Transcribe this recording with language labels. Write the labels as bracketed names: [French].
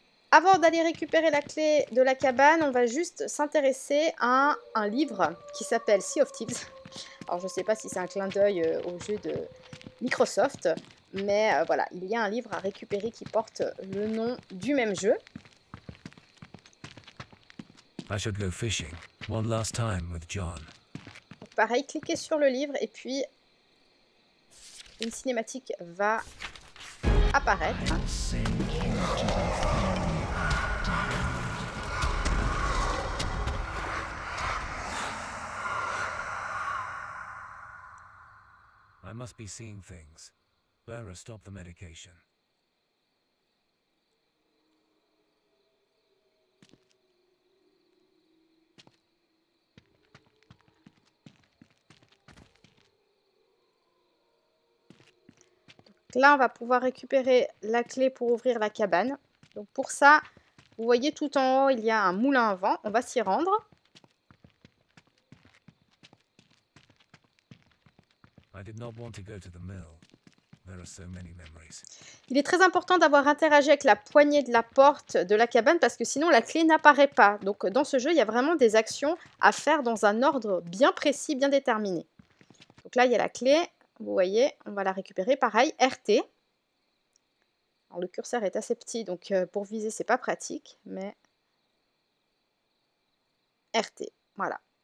[French] Avant d'aller récupérer la clé de la cabane, on va juste s'intéresser à un livre qui s'appelle Sea of Thieves. Alors, je ne sais pas si c'est un clin d'œil au jeu de Microsoft, mais voilà, il y a un livre à récupérer qui porte le nom du même jeu. [English] I should go fishing one last time with John. [French] Pareil, cliquez sur le livre et puis une cinématique va apparaître. [English] I must be seeing things. Better stop the medication. [French] Là, on va pouvoir récupérer la clé pour ouvrir la cabane. Donc pour ça, vous voyez tout en haut, il y a un moulin à vent. On va s'y rendre. [English] I did not want to go to the mill. There are so many memories. [French] Il est très important d'avoir interagi avec la poignée de la porte de la cabane parce que sinon la clé n'apparaît pas. Donc dans ce jeu, il y a vraiment des actions à faire dans un ordre bien précis, bien déterminé. Donc là, il y a la clé. Vous voyez, on va la récupérer. Pareil, RT. Alors, le curseur est assez petit, donc pour viser, c'est pas pratique, mais RT, voilà.